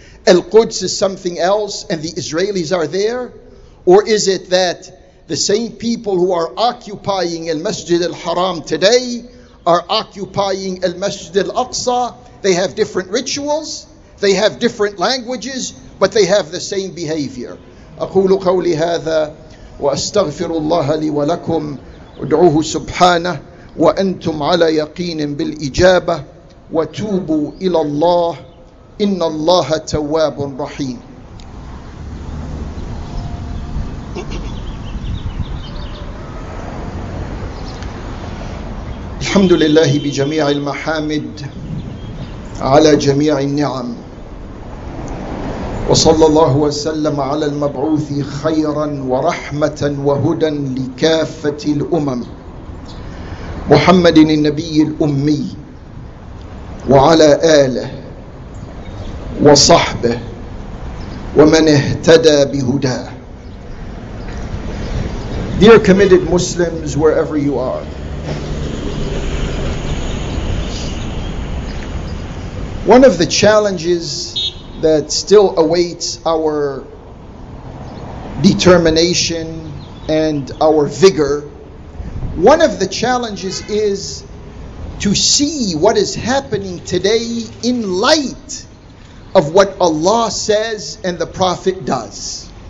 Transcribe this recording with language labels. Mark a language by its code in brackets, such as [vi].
[en] Al-Quds is something else and the Israelis are there. Or is it that the same people who are occupying Al-Masjid al-Haram today are occupying Al-Masjid al-Aqsa? They have different rituals, they have different languages, but they have the same behavior. [ar] أقول قولي هذا وأستغفر الله لي ولكم ادعوه سبحانه وأنتم على يقين بالإجابة وتوبوا إلى الله إن الله تواب رحيم. الحمد لله بجميع المحامد على جميع النعم وصلى الله وسلم على المبعوث خيرا ورحمة وهدى لكافة الأمم محمد النبي الأمي وعلى آله وصحبه ومن اهتدى بهداه. [en] Dear committed Muslims, wherever you are, one of the challenges that still awaits our determination and our vigor, one of the challenges is to see what is happening today in light of what Allah says and the Prophet does.